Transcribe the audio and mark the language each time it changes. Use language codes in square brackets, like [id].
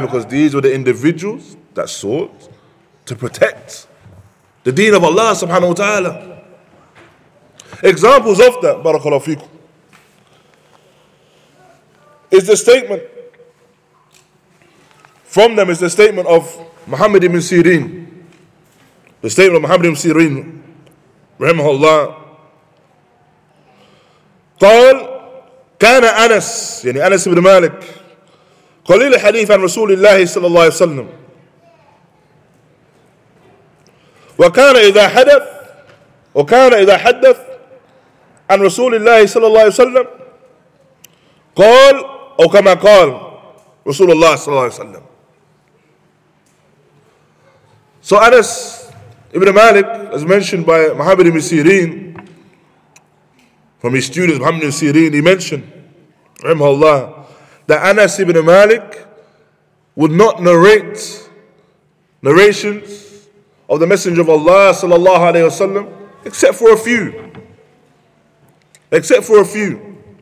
[en] Because these were the individuals that sought to protect the deen of Allah subhanahu wa ta'ala. Examples of that, barakallahu fikum, is the statement from them, is the statement of Muhammad ibn Sirin. The statement of Muhammad ibn Sirin, rahimahullah, [ar] قال كان أنس يعني أنس بن مالك قليل الحديث عن رسول الله صلى الله عليه وسلم وكان إذا حدث وكان إذا حدث عن رسول الله صلى الله عليه وسلم قال أو كما قال رسول الله صلى الله عليه وسلم. [en] So Anas ibn Malik, as mentioned by Muhammad ibn Sirin, from his student Muhammad ibn Sirin, he mentioned, rahimahullah, that Anas ibn Malik would not narrate narrations of the Messenger of Allah sallallahu alayhi wasallam, except for a few.